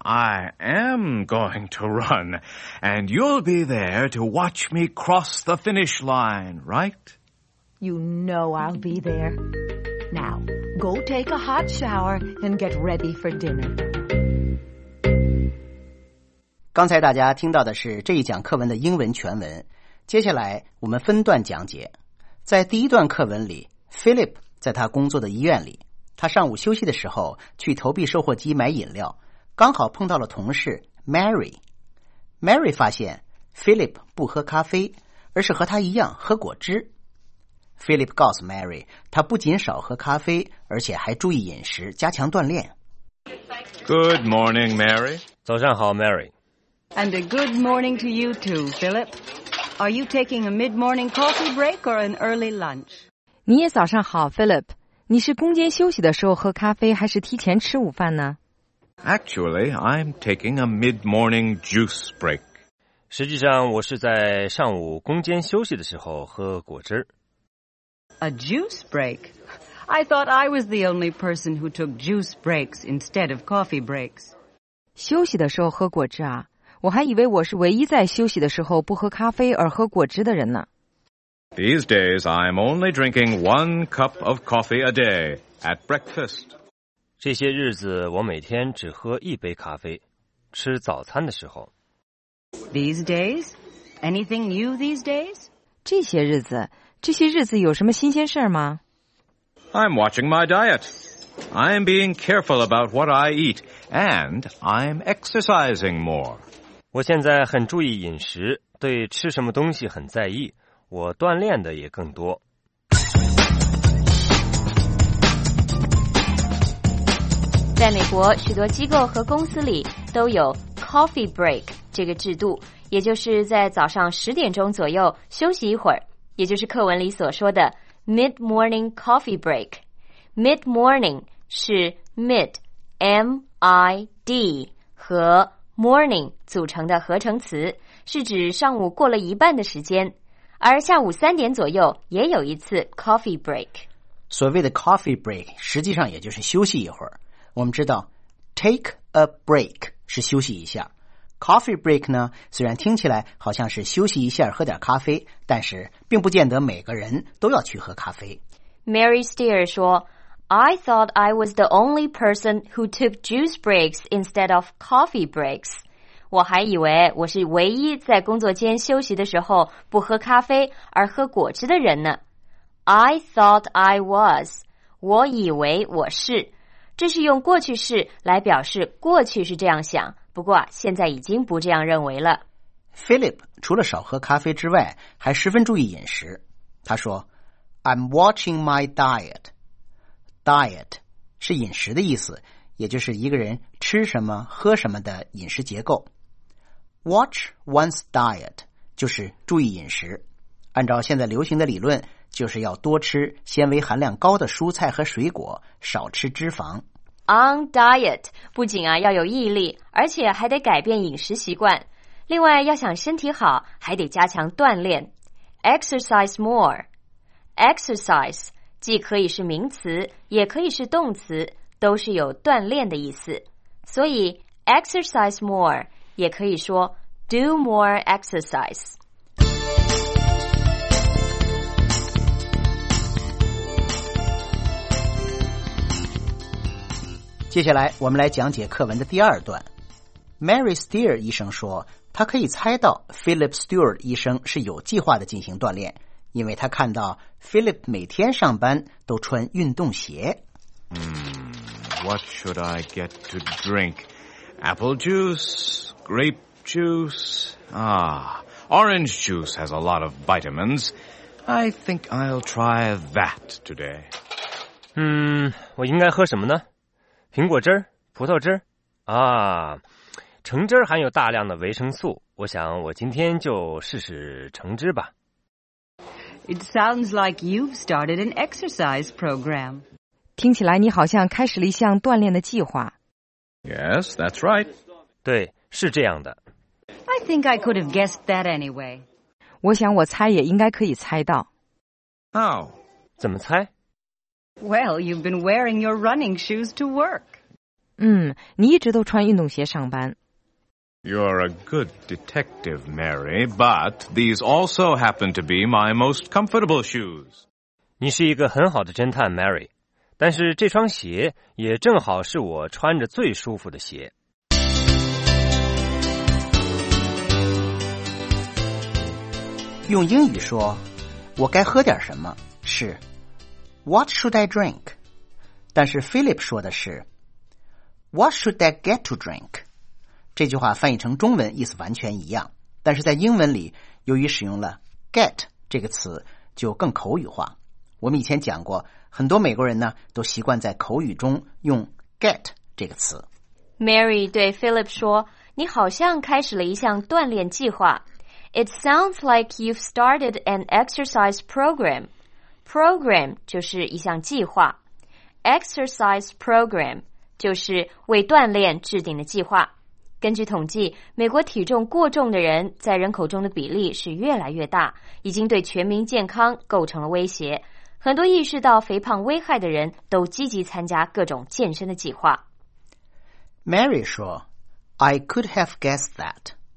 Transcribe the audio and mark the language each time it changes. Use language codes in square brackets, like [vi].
[en] I am going to run. And you'll be there to watch me cross the finish line, right? You know I'll be there. Now, go take a hot shower and get ready for dinner. [zh] 刚才大家听到的是这一讲课文的英文全文。接下来我们分段讲解。在第一段课文里， Philip 在他工作的医院里，他上午休息的时候去投币售货机买饮料，刚好碰到了同事 Mary。 Mary 发现 Philip 不喝咖啡，而是和他一样喝果汁。 Philip 告诉 Mary 他不仅少喝咖啡，而且还注意饮食，加强锻炼。 [en] Good morning Mary。 [zh] 早上好 Mary。 [en] And a good morning to you too PhilipAre you taking a mid-morning coffee break or an early lunch? [zh] 你也早上好 Philip. 你是工间休息的时候喝咖啡还是提前吃午饭呢？ [en] Actually, I'm taking a mid-morning juice break. [zh] 实际上我是在上午工间休息的时候喝果汁。 [en] A juice break? I thought I was the only person who took juice breaks instead of coffee breaks. [zh] 休息的时候喝果汁啊？我还以为我是唯一在休息的时候不喝咖啡而喝果汁的人呢。 [en] These days, I'm only drinking one cup of coffee a day at breakfast. [zh] 这些日子我每天只喝一杯咖啡，吃早餐的时候。 [en] These days? Anything new these days? [zh] 这些日子有什么新鲜事吗？ [en] I'm watching my diet. I'm being careful about what I eat, and I'm exercising more. [zh] 我现在很注意饮食，对吃什么东西很在意，我锻炼的也更多。在美国，许多机构和公司里都有 coffee break 这个制度，也就是在早上10点钟左右休息一会儿，也就是课文里所说的 [en] mid-morning coffee break。 [zh] mid-morning 是 mid M-I-D 和morning 组成的合成词，是指上午过了一半的时间，而下午3点左右也有一次 coffee break。所谓的 coffee break 实际上也就是休息一会儿。我们知道 [en] take a break [zh] 是休息一下， coffee break 呢虽然听起来好像是休息一下喝点咖啡，但是并不见得每个人都要去喝咖啡。 [en] Mary Steer [zh] 说， [en] I thought I was the only person who took juice breaks instead of coffee breaks. [zh] 我还以为我是唯一在工作间休息的时候不喝咖啡而喝果汁的人呢。 [en] I thought I was. [zh] 我以为我是。这是用过去式来表示过去是这样想，不过现在已经不这样认为了。 Philip 除了少喝咖啡之外，还十分注意饮食。他说 [en] I'm watching my diet. [zh] Diet 是饮食的意思，也就是一个人吃什么喝什么的饮食结构。 [en] Watch one's diet [zh] 就是注意饮食，按照现在流行的理论，就是要多吃纤维含量高的蔬菜和水果，少吃脂肪。 [en] On diet [zh] 不仅啊要有毅力，而且还得改变饮食习惯，另外要想身体好还得加强锻炼。 [en] Exercise more. [zh] Exercise既可以是名词，也可以是动词，都是有锻炼的意思。所以 [en] exercise more [zh] 也可以说 [en] do more exercise。 [zh] 接下来我们来讲解课文的第二段。Mary Steer 医生说，他可以猜到 Philip Stewart 医生是有计划的进行锻炼，因为他看到 Philip 每天上班都穿运动鞋。 [en] What should I get to drink? Apple juice? Grape juice? Orange juice has a lot of vitamins. I think I'll try that today. [zh] 我应该喝什么呢？苹果汁？葡萄汁？橙汁含有大量的维生素，我想我今天就试试橙汁吧。 [en] It sounds like you've started an exercise program. [zh] 听起来你好像开始了一项锻炼的计划。 [en] Yes, that's right. [zh] 对，是这样的。 [en] I think I could have guessed that anyway. [zh] 我想我猜也应该可以猜到。 [en] How? [zh] 怎么猜？ [en] Well, you've been wearing your running shoes to work. [zh] 你一直都穿运动鞋上班。 [en] You're a good detective, Mary, but these also happen to be my most comfortable shoes. [zh] 你是一个很好的侦探 ,Mary, 但是这双鞋也正好是我穿着最舒服的鞋。用英语说，我该喝点什么？是 [en] What should I drink? [zh] 但是 [en] Philip [zh] 说的是 [en] What should I get to drink? [zh] 这句话翻译成中文意思完全一样，但是在英文里，由于使用了 get 这个词，就更口语化。我们以前讲过，很多美国人呢，都习惯在口语中用 get 这个词。 Mary 对 Philip 说，你好像开始了一项锻炼计划。 [en] It sounds like you've started an exercise program. [zh] Program 就是一项计划。 [en] Exercise program [zh] 就是为锻炼制定的计划。根据统计，美国体重过重的人在人口中的比例是越来越大，已经对全民健康构成了威胁。很多意识到肥胖危害的人都积极参加各种健身的计划。 [en] Mary [zh] 说 [en] I could have guessed that.